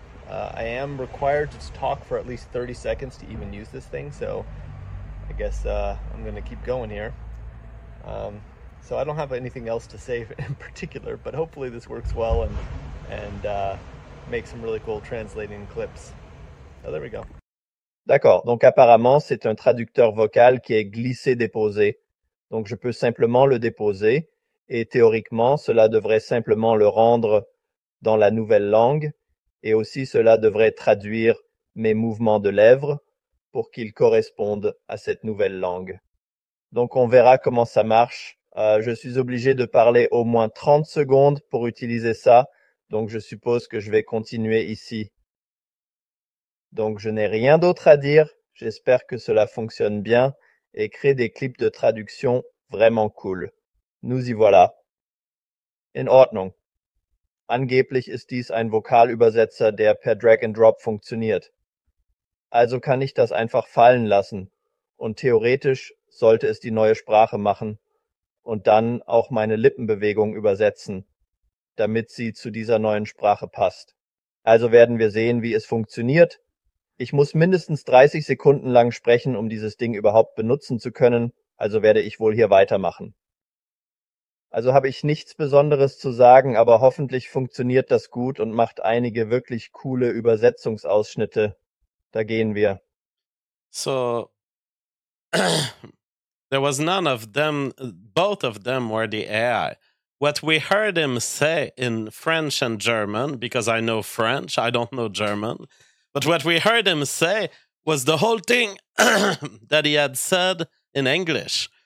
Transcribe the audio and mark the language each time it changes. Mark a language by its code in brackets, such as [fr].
[en] I am required to talk for at least 30 seconds to even use this thing, so I guess I'm going to keep going here. So I don't have anything else to say in particular, but hopefully this works well and make some really cool translating clips. So there we go. [fr] D'accord. Donc apparemment, c'est un traducteur vocal qui est glissé-déposé. Donc je peux simplement le déposer et théoriquement, cela devrait simplement le rendre dans la nouvelle langue et aussi cela devrait traduire mes mouvements de lèvres pour qu'ils correspondent à cette nouvelle langue. Donc on verra comment ça marche. Je suis obligé de parler au moins 30 secondes pour utiliser ça, donc je suppose que je vais continuer ici. Donc je n'ai rien d'autre à dire, j'espère que cela fonctionne bien et crée des clips de traduction vraiment cool. Nous y voilà. [de] In Ordnung. Angeblich ist dies ein Vokalübersetzer, der per Drag and Drop funktioniert. Also kann ich das einfach fallen lassen und theoretisch sollte es die neue Sprache machen und dann auch meine Lippenbewegung übersetzen, damit sie zu dieser neuen Sprache passt. Also werden wir sehen, wie es funktioniert. Ich muss mindestens 30 Sekunden lang sprechen, um dieses Ding überhaupt benutzen zu können, also werde ich wohl hier weitermachen. Also habe ich nichts Besonderes zu sagen, aber hoffentlich funktioniert das gut und macht einige wirklich coole Übersetzungsausschnitte. Da gehen wir. [en] So, there was none of them, both of them were the AI. What we heard him say in French and German, because I know French, I don't know German. But what we heard him say was the whole thing that he had said in English.